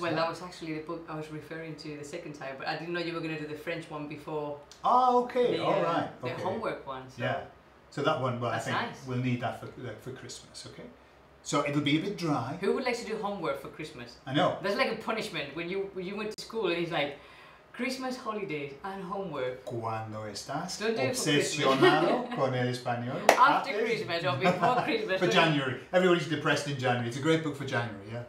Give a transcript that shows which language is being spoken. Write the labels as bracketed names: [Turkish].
[English] Well, that was actually the book I was referring to the second time, but I didn't know you were going to do the French one before. Oh, okay. All right. The okay. homework one. So. Yeah. So that one, well, that's I think nice. We'll need that for Christmas, okay? So it'll be a bit dry. Who would like to do homework for Christmas? I know. That's like a punishment. When you went to school and he's like, Christmas holidays and homework. [Spanish] Cuando estás obsesionado con el español. [English] After Christmas or before Christmas. For January. Everybody's depressed in January. It's a great book for January, yeah?